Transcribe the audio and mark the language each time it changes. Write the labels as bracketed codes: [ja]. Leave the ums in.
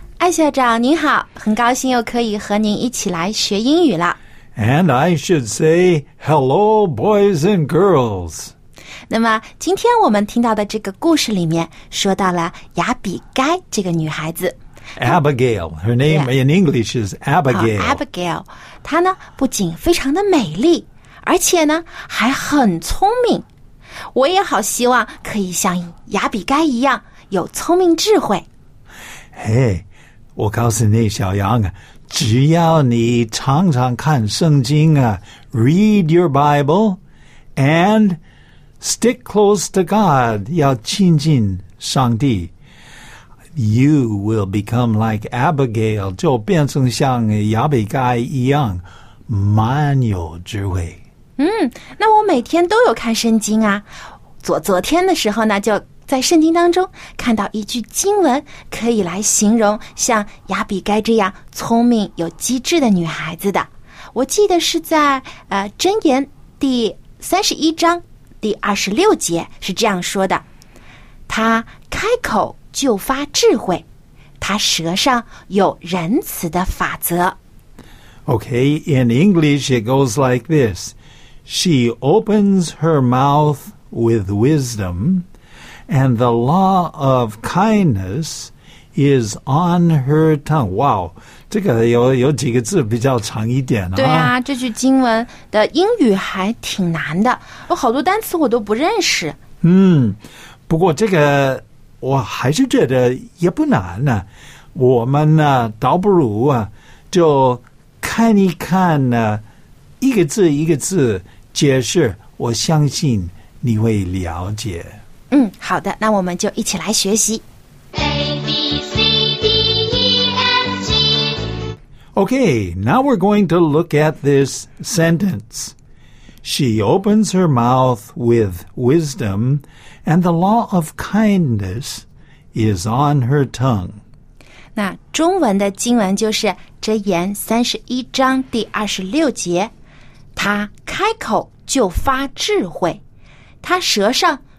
[zh] 学校长您好，很高兴又可以和您一起来学英语了。 [en] And I should say hello, boys and girls. [zh] 那么今天我们听到的这个故事里面说到了雅比该这个女孩子。 [en] Abigail, her name in English is Abigail.、Oh, [zh] Abigail，她呢不仅非常的美丽，而且呢还很聪明。我也好希望可以像雅比该一样有聪明智慧。嘿。Hey. 我告诉你，小杨啊，只要你常常看圣经啊， [en] read uh, your Bible and stick close to God， [zh] 要亲近上帝。 [en] You will become like Abigail， [zh] 就变成像亚比盖一样，满有智慧。嗯，那我每天都有看圣经啊。昨昨天的时候呢，就在圣经当中看到一句经文，可以来形容像雅比该这样聪明有机智的女孩子的。我记得是在呃《箴言》第三十一章第二十六节是这样说的：“她开口就发智慧，她舌上有仁慈的法则。 [en] ”Okay, in English, it goes like this: She opens her mouth with wisdom. and the law of kindness is on her tongue. Wow. [zh] 这个有有几个字比较长一点啊？对啊，这句经文的英语还挺难的，有好多单词我都不认识。嗯，不过这个我还是觉得也不难呢、啊。我们呢，倒不如啊，就看一看呢，一个字一个字解释，我相信你会了解。嗯，好的，那我们就一起来学习。 [en] Okay, now we're going to look at this sentence. She opens her mouth with wisdom, and the law of kindness is on her tongue. [zh] 那中文的经文就是《箴言》三十一章第二十六节，她开口就发智慧，她舌上。